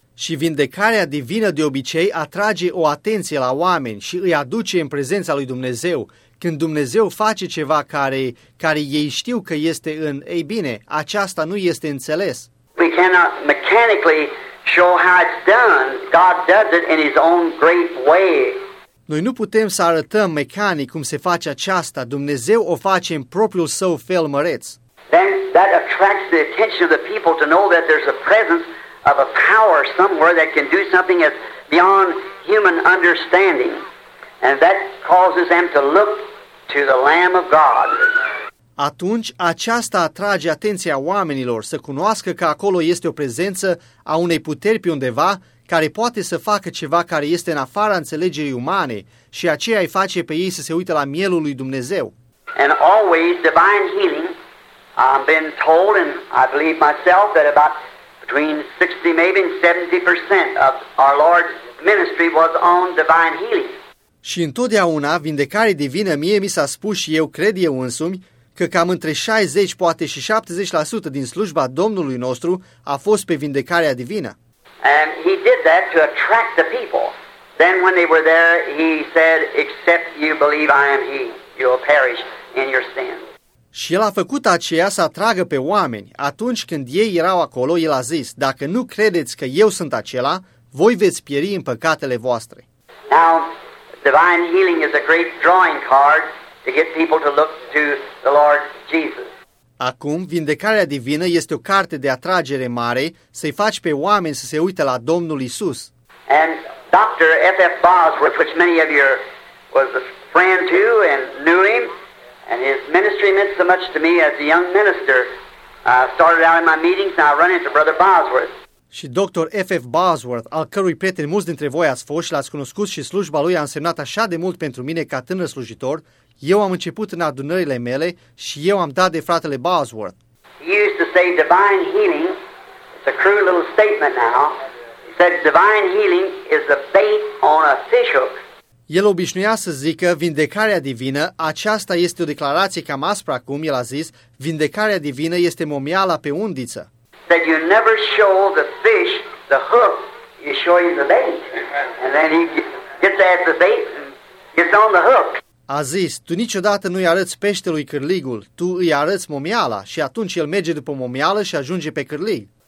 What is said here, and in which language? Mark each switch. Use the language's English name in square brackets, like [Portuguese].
[Romanian] Și vindecarea divină de obicei atrage o atenție la oameni și îi aduce în prezența lui Dumnezeu. Când Dumnezeu face ceva care ei știu că este în ei bine, aceasta nu este înțeles. [English] We cannot mechanically show how it's done. God does it in his own great way. [Romanian] Noi nu putem să arătăm mecanic cum se face aceasta. Dumnezeu o face în propriul său fel măreț. [English] Then that attracts the attention of the people to know that there's a presence of a power somewhere that can do something that's beyond human understanding. And that causes them to look to the Lamb of God. [Romanian] Atunci, aceasta atrage atenția oamenilor să cunoască că acolo este o prezență a unei puteri pe undeva care poate să facă ceva care este în afara înțelegerii umane și aceea îi face pe ei să se uite la mielul lui Dumnezeu. [English] And always divine healing, I've been told, and I believe myself, that about between 60, maybe 70% of our Lord's ministry was on divine healing. [Romanian] Și întotdeauna, vindecare divină, mie mi s-a spus și eu cred eu însumi, că cam între 60, poate și 70% din slujba Domnului nostru a fost pe vindecarea divină. [English] And he did that to attract the people. Then when they were there, he said, except you believe I am he, you'll perish in your sins. [Romanian] Și el a făcut aceea să atragă pe oameni. Atunci când ei erau acolo, el a zis, dacă nu credeți că eu sunt acela, voi veți pieri în păcatele voastre. [English] Now, divine healing is a great drawing card to get people to look to the Lord Jesus. [Romanian] Acum, vindecarea divină este o carte de atragere mare să-i faci pe oameni să se uite la Domnul Isus. [English] And Dr. F.F. Bosworth, which many of you was a friend to and knew him, and his ministry meant so much to me as a young minister. Started out in my meetings and I run into Brother Bosworth. [Romanian] Și Dr. F.F. Bosworth, al cărui prieten mulți dintre voi ați fost și l-ați cunoscut și slujba lui a însemnat așa de mult pentru mine ca tânăr slujitor, eu am început în adunările mele și eu am dat de fratele Bosworth. [English] He used to say divine healing, it's a crude little statement now, he said divine healing is a bait on a fish hook. [Romanian] El obișnuia să zică, vindecarea divină, aceasta este o declarație cam aspră acum, el a zis, vindecarea divină este momiala pe undiță. [English] That you never show the fish the hook, you show him the bait. And then he gets at the bait and gets on the hook. [Romanian] A zis, tu niciodată nu-i arăți peștelui cârligul, tu îi arăți momiala și atunci el merge după momială și ajunge pe cârlig.